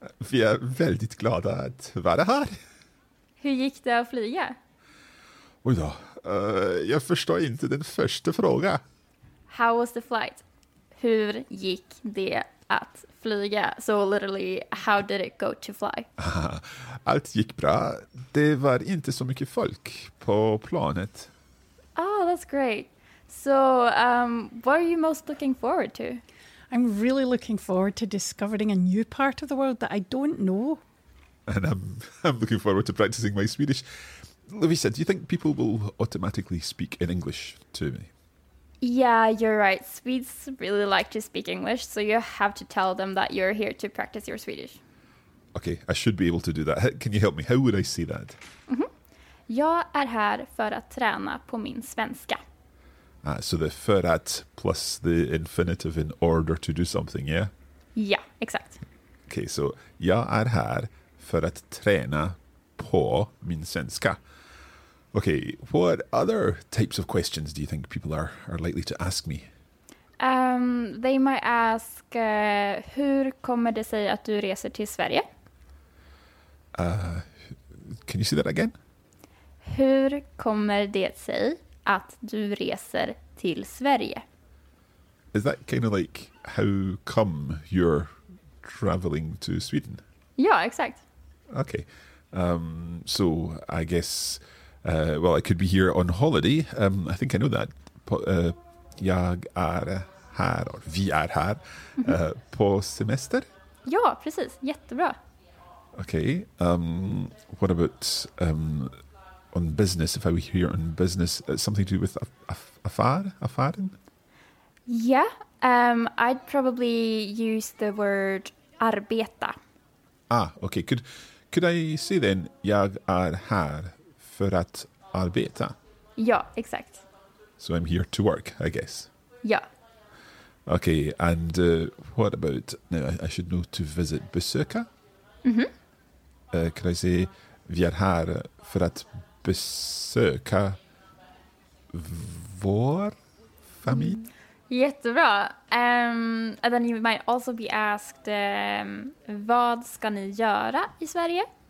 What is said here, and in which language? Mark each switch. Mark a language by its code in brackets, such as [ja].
[sv] Vi är väldigt glada att vara här. Hur gick det att flyga? Oj då, jag förstår inte den första frågan. [en] How was the flight? [sv] Hur gick det att flyga? [en] So literally, how did it go to fly? [sv] Allt gick bra. Det var inte så mycket folk på planet. [en] Oh, that's great. So, what are you most looking forward to? I'm really looking forward to discovering a new part of the world that I don't know. And I'm looking forward to practicing my Swedish. Lovisa, do you think people will automatically speak in English to me? Yeah, you're right. Swedes really like to speak English, so you have to tell them that you're here to practice your Swedish. Okay, I should be able to do that. Can you help me? How would I say that? Mm-hmm. [sv] Jag är här för att träna på min svenska. [en] So the för att plus the infinitive in order to do something, yeah? Yeah, exakt. Okay, so [sv] jag är här för att träna på min svenska. [en] Okay, what other types of questions do you think people are likely to ask me? They might ask, [sv] hur kommer det sig att du reser till Sverige? [en] Can you say that again? [sv] Hur kommer det sig att du reser till Sverige? [en] Is that kind of like how come you're traveling to Sweden? [sv] Ja, exakt. [en] Okay. So I guess, well, I could be here on holiday. I think I know that. [sv] Jag är här och vi är här på semester. Ja, precis. Jättebra. [en] Okay. What about on business? If I were here on business, something to do with affären? Yeah. I'd probably use the word arbeta. Ah, okay. Could I say then, [sv] jag är här för att arbeta? Ja, exakt. [en] So I'm here to work, I guess. [sv] Ja. [en] Okay, and what about, now I should know to visit, besöka? Mm-hmm. Could I say, [sv] vi är här för att besöka vår familj? Mm. Jättebra. [en] And then you might also be asked, [sv] vad ska ni göra I Sverige?